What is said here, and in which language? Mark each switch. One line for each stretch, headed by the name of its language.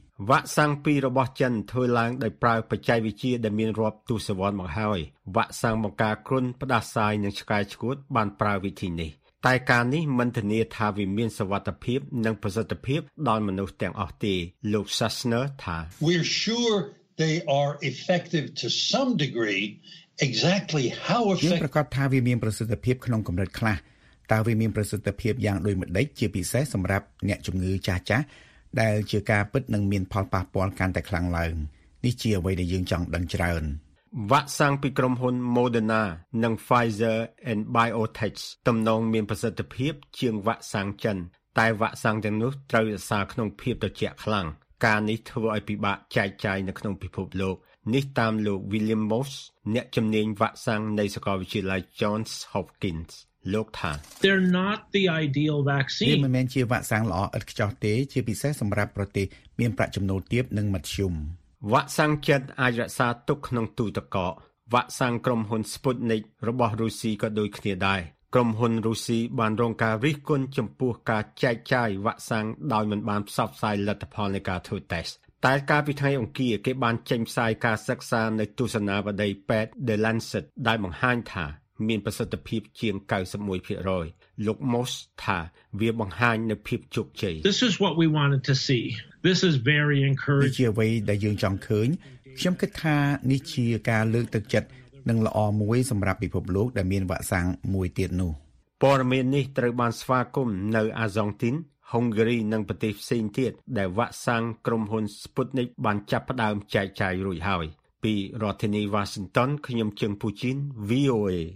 Khmer: វ៉ាក់សាំងពីររបស់ចិនធ្វើឡើងដោយប្រើបច្ចេកវិទ្យាដែលមានរាប់ទសវត្សរ៍មកហើយវ៉ាក់សាំងបង្ការគ្រុនផ្ដាសាយនិងឆ្កែឆ្កួតបានប្រើវិធីនេះតែការនេះមិនធានាថាវាមានសុវត្ថិភាពនិងប្រសិទ្ធភាពដល់មនុស្សទាំងអស់ទេលោក Sassner ថា
English: We're sure they are effective to some degree exactly how effective
Khmer: គេប្រកាសថាវាមានប្រសិទ្ធភាពក្នុងកម្រិតខ្លះតើវាមានប្រសិទ្ធភាពយ៉ាងដូចម្ដេចជាពិសេសសម្រាប់អ្នកជំងឺចាស់ចាស់ដែលជាការពិតនឹងមានផលប៉ះពាល់កាន់តែខ្លាំងឡើងនេះជាអ្វីដែលយើងចង់ដឹងច្រើន វ៉ាក់សាំងពីក្រុមហ៊ុន Moderna និង Pfizer and BioNTech ទំនងមានប្រសិទ្ធភាពជាងវ៉ាក់សាំងចិនតែវ៉ាក់សាំងទាំងនោះត្រូវរក្សាក្នុងភាពត្រជាក់ខ្លាំងការនេះធ្វើឲ្យពិបាកចែកចាយនៅក្នុងពិភពលោកនេះតាមលោក William Moss អ្នកជំនាញវ៉ាក់សាំងនៃសាកលវិទ្យាល័យ Johns Hopkins លោកថា
English: They're not the ideal vaccine
Khmer: វាមិនមែនជាវ៉ាក់សាំងល្អឥតខ្ចោះទេជាពិសេសសម្រាប់ប្រទេសមានប្រាក់ចំណូលទាបនិងមធ្យម វ៉ាក់សាំងចិនអាចរក្សាទុកក្នុងទូទឹកកកវ៉ាក់សាំងក្រុមហ៊ុន Sputnik របស់រុស្ស៊ីក៏ដូចគ្នាដែរក្រុមហ៊ុនរុស្ស៊ីបានរងការរិះគន់ចំពោះការចែកចាយវ៉ាក់សាំងដោយមិនបានផ្សព្វផ្សាយលទ្ធផលនៃការធ្វើតេស្តតែកាលពីថ្ងៃអង្គារគេបានចេញផ្សាយការសិក្សានៅទស្សនវដ្ដី8 The Lancet ដែលបង្ហាញថាមានប្រសិទ្ធភាពជាង 91% លោក Moss ថាវាបង្ហាញនូវភាពជោគជ័យ
English: This is what we wanted to see. This is very encouraging.
Khmer: ជាអ្វីដែលយើងចង់ឃើញខ្ញុំគិតថានេះជាការលើកទឹកចិត្តនិងល្អមួយសម្រាប់ពិភពលោកដែលមានវ៉ាក់សាំងមួយទៀតនោះ ព័ត៌មាននេះត្រូវបានស្វាគមន៍នៅអាសង់ទីនហុងគ្រីនិងប្រទេសផ្សេងទៀតដែលវ៉ាក់សាំងក្រុមហ៊ុន Sputnik បានចាប់ផ្ដើមចែកចាយរួចហើយពីរដ្ឋធានី Washington ខ្ញុំជឹងពូជីន VOA